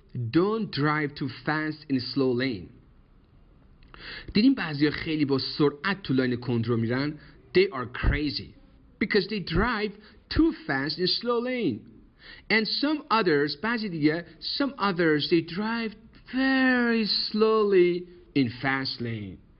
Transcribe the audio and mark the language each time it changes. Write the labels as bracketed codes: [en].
[en] Don't drive too fast in a slow lane. [fa] دیدیم بعضی ها خیلی با سرعت تو لاین کنترل میرن. [en] They are crazy. Because they drive too fast in a slow lane. And some others, [fa] بعضی دیگه, [en] some others, they drive very slowly in fast lane.